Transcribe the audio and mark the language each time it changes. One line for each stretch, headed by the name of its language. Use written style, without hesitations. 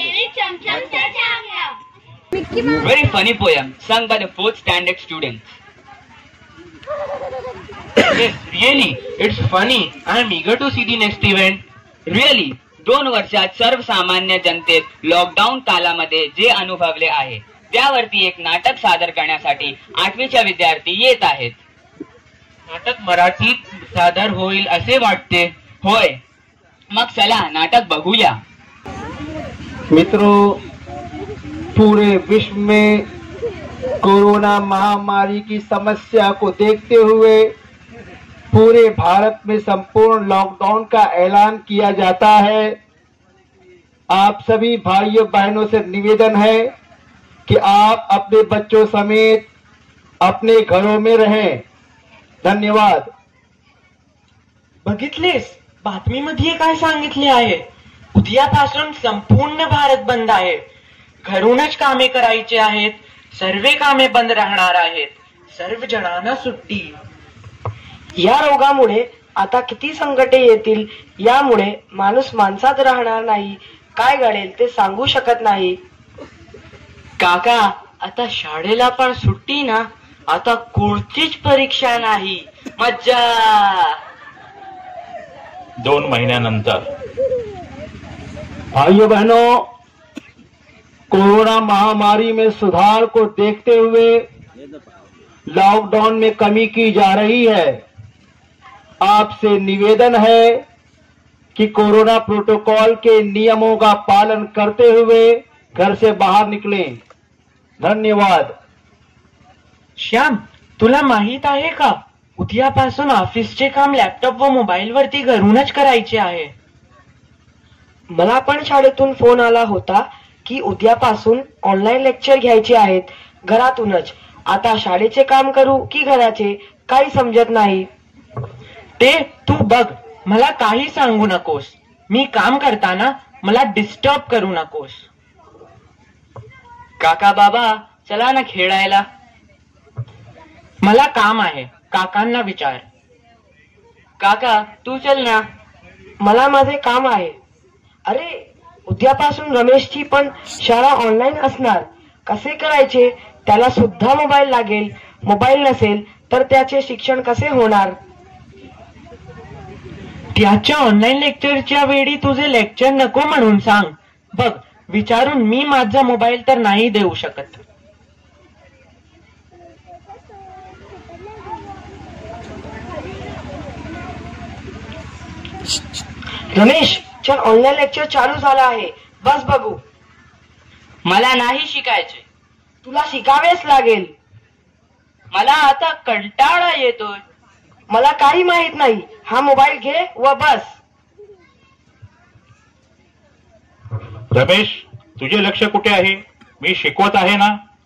English: Very funny poem sung by the fourth standard students. Yes, really, it's funny. I'm eager to see the next event.
Marathi: Really, 2 वर्षात सर्वसामान्य जनतेत lockdown कालामध्ये जे अनुभवले आहे त्यावरती एक नाटक सादर करण्यासाठी 8वीच्या विद्यार्थी येत आहेत. नाटक मराठीत सादर होईल असे वाटते. होय, मग चला नाटक बघूया.
Hindi: मित्रों, पूरे विश्व में कोरोना महामारी की समस्या को देखते हुए पूरे भारत में संपूर्ण लॉकडाउन का ऐलान किया जाता है. आप सभी भाइयों बहनों से निवेदन है कि आप अपने बच्चों समेत अपने घरों में रहें. धन्यवाद.
Marathi: बघितलेस बातमीमध्ये काय सांगितले आहे? उद्यापासून संपूर्ण भारत बंद आहे. घरूनच कामे करायचे आहेत. सर्वे कामे बंद राहणार आहेत. सर्व जणांना सुट्टी. या रोगामुळे आता किती संकटे येतील, यामुळे माणूस माणसात राहणार नाही. काय घडेल ते सांगू शकत नाही. काका, आता शाळेला पण सुट्टी ना. आता कोणतीच परीक्षा नाही. मज्जा. 2 महिन्यानंतर.
Hindi: भाई बहनों, कोरोना महामारी में सुधार को देखते हुए लॉकडाउन में कमी की जा रही है. आपसे निवेदन है कि कोरोना प्रोटोकॉल के नियमों का पालन करते हुए घर से बाहर निकलें. धन्यवाद.
Marathi: श्याम, तुला माहित आहे का, उद्यापासून ऑफिसचे काम लॅपटॉप व मोबाईल वरती घरूनच करायचे आहे. मला पण शाळेतून फोन आला होता की उद्यापासून ऑनलाइन लेक्चर घ्यायचे आहेत घरातूनच. आता शाळेचे काम करू की घराचे काही समजत नाही. ते तू बघ, मला काही सांगू नकोस. मी काम करताना मला डिस्टर्ब करू नकोस. काका बाबा, चला ना खेळायला. मला काम आहे, काकांना विचार. काका तू चल ना. मला माझे काम आहे. अरे, उद्यापासून रमेशची पण शाळा ऑनलाईन असणार. कसे करायचे, त्याला सुद्धा मोबाईल लागेल. मोबाईल नसेल तर त्याचे शिक्षण कसे होणार. त्याच्या ऑनलाईन लेक्चरच्या वेळी तुझे लेक्चर नको म्हणून सांग. बघ, विचारून मी माझा मोबाईल तर नाही देऊ शकत. श, श, रमेश चल ऑनलाइन लेक्चर चालू झाला आहे बस बघू. मला नाही शिकायचे. तुला शिकावेच लागेल. मला आता कंटाळा येतोय. मला काही माहित नाही. हा मोबाईल घे व बस. रमेश तुझे लक्ष कुठे आहे? मी शिकवत आहे ना.